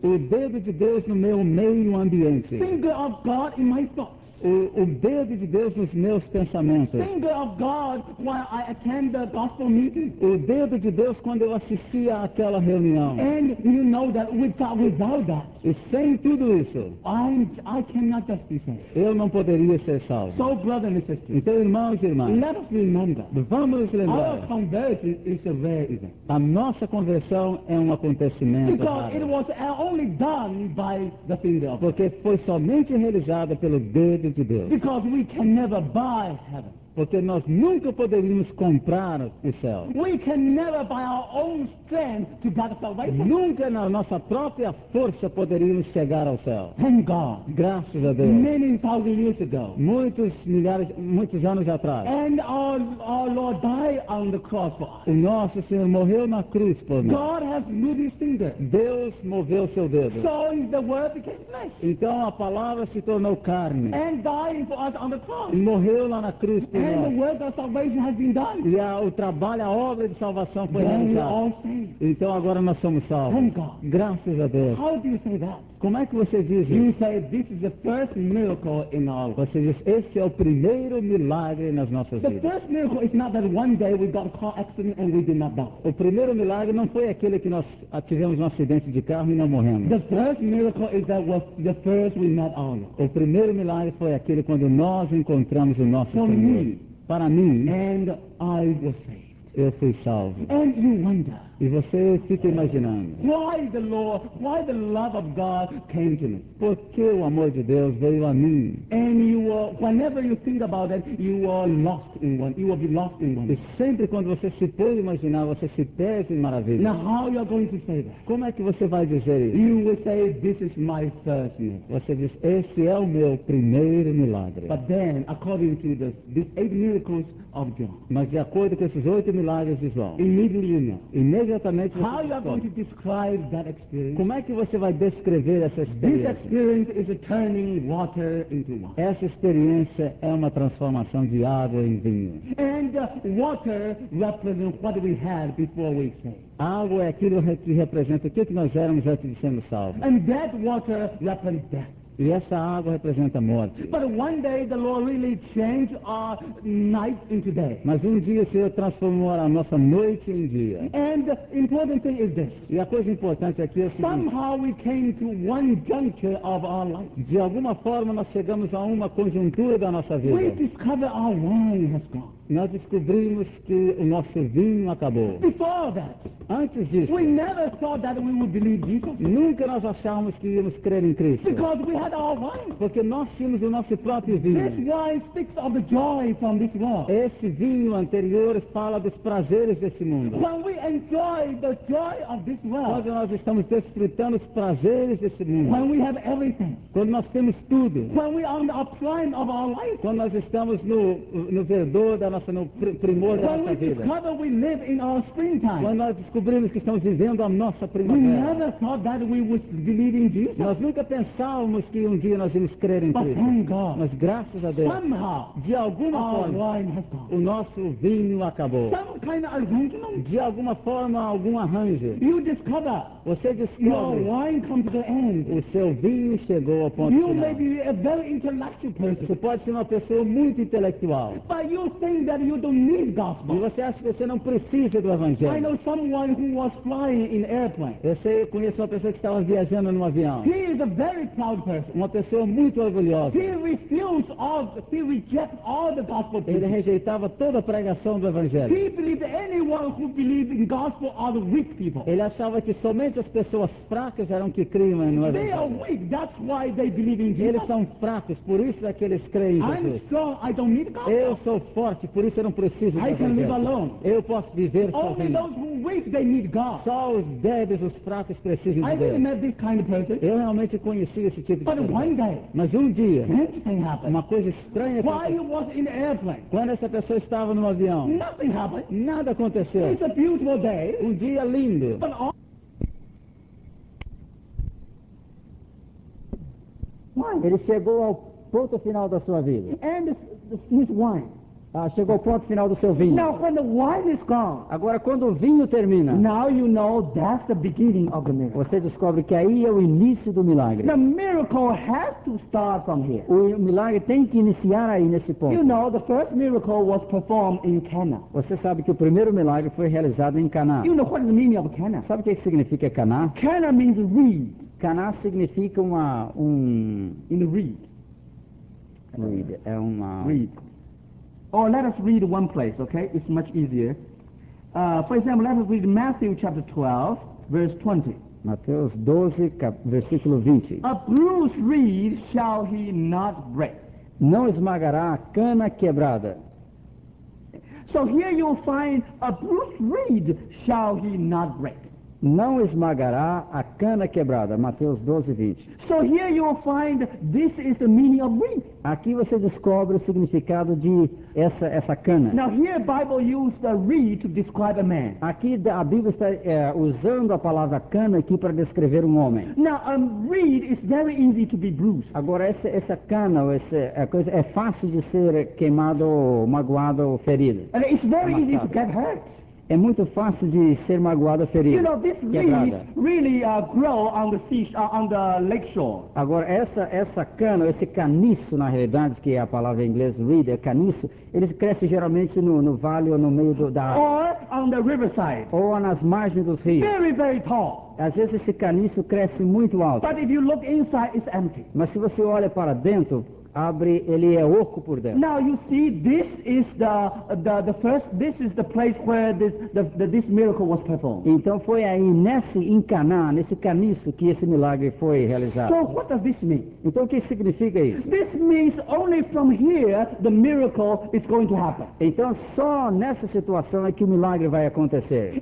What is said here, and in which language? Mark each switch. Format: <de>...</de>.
<pt>O dedo de Deus no meu meio ambiente.</pt> <en>Finger of God in my thoughts.</en> <pt>O dedo de Deus nos meus pensamentos.</pt> <en>Finger of God while I attend the gospel meeting.</en> <pt>O dedo de Deus quando eu assistia àquela reunião.</pt> <en>And you know that without that.</en> <pt>E sem tudo isso.</pt> <en>I cannot just be saved.</en> <pt>Eu não poderia ser salvo.</pt> <en>So brother and sister.</en> <pt>Então irmãos e irmãs.</pt> <en>Let us remember.</en> <pt>Vamos lembrar.</pt> <en>Our conversion is a rare event.</en> <pt>A nossa conversão é acontecimento raro.</pt> <en>Because it was only done by the finger of God.</en> <pt>Porque foi somente realizada pelo dedo.</pt> <en>Because we can never buy heaven.</en> <pt>Porque nós nunca poderíamos comprar o céu.</pt> <en>We can never by our own strength to God salvation.</en> <pt>Nunca na nossa própria força poderíamos chegar ao céu.</pt> <en>Thank God.</en> <pt>Graças a Deus.</pt> <en>Many thousand years ago.</en> <pt>Muitos anos atrás.</pt> <en>And our Lord died on the cross for us.</en> <pt>O nosso Senhor morreu na cruz por nós.</pt> <en>God has moved his finger.</en> <pt>Deus moveu seu dedo.</pt> <en>So the word became flesh.</en> <pt>Então a palavra se tornou carne.</pt> <en>And died for us on the cross.</en> <pt>E morreu lá na cruz.</pt> <en>And the work of salvation has been done.</en> <pt>E o trabalho, a obra de salvação foi realizada. Então agora nós somos salvos.</pt> <en>Thank God.</en> <pt>Graças a Deus.</pt> <en>How do you say that?</en> <pt>Como é que você diz isso?</pt> <en>You say this is the first miracle in our life.</en> <pt>Você diz, esse é o primeiro milagre nas nossas vidas.</pt> <en>The first miracle is not that one day we got a car accident and we did not die.</en> <pt>O primeiro milagre não foi aquele que nós tivemos acidente de carro e não morremos.</pt> <en>The first miracle is that was the first we met our Lord.</en> <pt>O primeiro milagre foi aquele quando nós encontramos o nosso Senhor.</pt> <en>For me,</en> <pt>para mim,</pt> <en>and I was saved.</en> <pt>Eu fui salvo.</pt> <en>And you wonder.</en> <pt>E você fica imaginando.</pt> <en>Why the Lord, why the love of God came to me?</en> <pt>Por que o amor de Deus veio a mim?</pt> <en>And you are, whenever you think about it, you are lost in one. You will be lost in one.</en> <pt>E sempre quando você se põe a imaginar, você se perde em maravilha.</pt> <en>Now how you are going to say that?</en> <pt>Como é que você vai dizer isso?</pt> <en>You will say, this is my first miracle.</en> <pt>Você diz, esse é o meu primeiro milagre.</pt> <en>But then, according to these eight miracles of John.</en> <pt>Mas de acordo com esses oito milagres de João.</pt> <en>Immediately you know.</en> <pt>Imediatamente.</pt> <en>How you are going to describe that experience?</en> <pt>Como é que você vai descrever essa experiência?</pt> <en>This experience is a turning water into wine.</en> <pt>Essa experiência é uma transformação de água em vinho.</pt> <en>And water represents what we had before we came.</en> <pt>A água é aquilo que representa o que nós éramos antes de sermos salvos.</pt> <en>And that water represents death.</en> <pt>E essa água representa a morte.</pt> <en>But one day the Lord really changed our night into day.</en> <pt>Mas dia o Senhor transformou a nossa noite em dia.</pt> <en>And the important thing is this.</en> <pt>E a coisa importante aqui é que</pt> <en>somehow we came to one juncture of our life.</en> <pt>De alguma forma nós chegamos a conjuntura da nossa vida.</pt> <en>We discover our wine has gone.</en> <pt>Nós descobrimos que o nosso vinho acabou.</pt> <en>Before that,</en> <pt>antes disso,</pt> <en>we never thought that we would believe Jesus.</en> <pt>Nunca nós achávamos que íamos crer em Cristo.</pt> <en>Because we had our wine.</en> <pt>Porque nós tínhamos o nosso próprio vinho.</pt> <en>This wine speaks of the joy from this world.</en> <pt>Esse vinho anterior fala dos prazeres desse mundo.</pt> <en>When we enjoy the joy of this world,</en> <pt>quando nós estamos desfrutando os prazeres desse mundo.</pt> <en>When we have everything,</en> <pt>quando nós temos tudo.</pt> <en>When we are in the prime of our life,</en> <pt>quando nós estamos no verdor da nossa, no primor da nossa vida.</pt> <en>We live in our springtime.</en> <pt>Quando nós descobrimos que estamos vivendo a nossa primavera.</pt> <en>We never thought that we would believe in Jesus.</en> <pt>Nós nunca pensávamos que dia nós íamos crer em Cristo.</pt> <en>But thank God,</en> <pt>mas graças a Deus.</pt> <en>Somehow,</en> <pt>de alguma forma,</pt> <en>wine has gone.</en> <pt>O nosso vinho acabou.</pt> <en>Some kind of arrangement.</en> <pt>De alguma forma, algum arranjo.</pt> <en>You discover.</en> <pt>Você descobre.</pt> <en>Your wine come to the end.</en> <pt>O seu vinho chegou ao ponto</pt> <en>you</en> <pt>final.</pt> <en>May be a very intellectual person.</en> <pt>Você pode ser uma pessoa muito intelectual.</pt> <en>But you think that you don't need gospel.</en> <pt>E você acha que você não precisa do evangelho?</pt> <en>I know someone who was flying in airplane.</en> <pt>Eu conheço uma pessoa que estava viajando num avião.</pt> <en>He is a very proud person.</en> <pt>Uma pessoa muito orgulhosa.</pt> <en>He rejects all the gospel.</en> <pt>Ele rejeitava toda a pregação do evangelho.</pt> <en>He believed anyone who believed in gospel are the weak people.</en> <pt>Ele achava que somente as pessoas fracas eram que criam no evangelho.</pt> <en>They are weak. That's why they believe in Jesus.</en> <pt>Eles são fracos, por isso é que eles creem em Jesus.</pt> <en>I'm strong. I don't need gospel.</en> <pt>Eu sou forte. Por isso eu não preciso de</pt> <en>I can live alone.</en> <pt>Eu posso viver</pt> <en>only</en> <pt>sozinho.</pt> <en>Those who weak, they need God.</en> <pt>Saul's dead e seus fracos precisam de Deus.</pt> <en>I didn't met this kind of person.</en> <pt>Eu realmente conheci esse tipo</pt> <en>but</en> <pt>de pessoa.</pt> <en>One day,</en> <pt>mas um dia,</pt> <en>anything happened.</en> <pt>Uma coisa estranha aconteceu.</pt> <en>While he was in the airplane.</en> <pt>Quando essa pessoa estava no avião.</pt> <en>Nothing happened.</en> <pt>Nada aconteceu.</pt> <en>It's a beautiful day.</en> <pt>Um dia lindo.</pt> <en>But all</en> <pt>ele chegou ao ponto final da sua vida.</pt> <en>And his wine.</en> <pt>Ah, chegou ao ponto final do seu vinho.</pt> <en>Now when the wine is gone.</en> <pt>Agora quando o vinho termina.</pt> <en>Now you know that's the beginning of the miracle.</en> <pt>Você descobre que aí é o início do milagre.</pt> <en>The miracle has to start from here.</en> <pt>O milagre tem que iniciar aí nesse ponto.</pt> <en>You know the first miracle was performed in Cana.</en> <pt>Você sabe que o primeiro milagre foi realizado em Cana.</pt> <en>You know what is the meaning of Cana?</en> <pt>Sabe o que significa Cana?</pt> <en>Cana means reed.</en> <pt>Cana significa uma um</pt> <en>in the reed.</en> <pt>Reed é uma</pt> <en>reed. Or let us read one place, okay? It's much easier. For example, let us read Matthew chapter 12, verse 20.</en> <pt>Mateus 12, versículo 20.</pt> <en>A bruised reed shall he not break.</en> <pt>Não esmagará a cana quebrada.</pt> <en>So here you'll find a bruised reed shall he not break.</en> <pt>Não esmagará a cana quebrada, Mateus 12, 20.</pt> <en>So here you will find this is the meaning of reed.</en> <pt>Aqui você descobre o significado de essa cana.</pt> <en>Now here Bible used the reed to describe a man.</en> <pt>Aqui a Bíblia está usando a palavra cana aqui para descrever um homem.</pt> <en>Now a reed is very easy to be bruised.</en> <pt>Agora essa cana ou essa coisa é fácil de ser queimado, magoado ou ferido.</pt> <en>And it's very</en> <pt>amassado.</pt> <en>Easy to get hurt.</en> <pt>É muito fácil de ser magoado, ferido.</pt> <en>You know, this reeds really grow on the sea, on the lake shore.</en> <pt>Agora essa cana, esse caniço, na realidade, que é a palavra em inglês reed, é caniço, eles crescem geralmente no vale ou no meio da água.</pt> <en>Or on the riverside.</en> <pt>Ou nas margens dos rios.</pt> <en>Very, very tall.</en> <pt>Às vezes esse caniço cresce muito alto.</pt> <en>But if you look inside, it's empty.</en> <pt>Mas se você olha para dentro, abre, ele é oco por dentro.</pt> <en>Now you see, this is the first. This is the place where this miracle was performed.</en> <pt>Então foi aí nesse caniço que esse milagre foi realizado.</pt> <en>So what does this mean?</en> <pt>Então o que significa isso?</pt> <en>This means only from here the miracle is going to happen.</en> <pt>Então só nessa situação é que o milagre vai acontecer.</pt>